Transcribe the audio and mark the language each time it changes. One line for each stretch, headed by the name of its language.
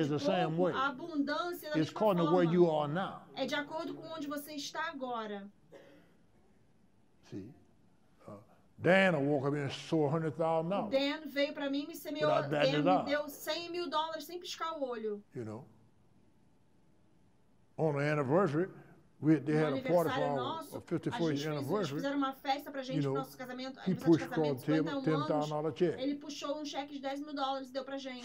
English: is the same way. It's according to where you are now.
Portuguese: É de acordo com onde você está agora.
English: See? Dan woke up and sold $100,000.
Portuguese: Dan veio para mim e me deu $100,000 sem piscar o olho.
English: You know, on the anniversary, they had a party for our 54th anniversary.
Portuguese: Eles fizeram uma festa pra gente,
English: you know,
Portuguese: pro nosso casamento.
English: He pushed for $10,000 check.
Portuguese: Ele puxou cheque de $10,000 e deu pra gente.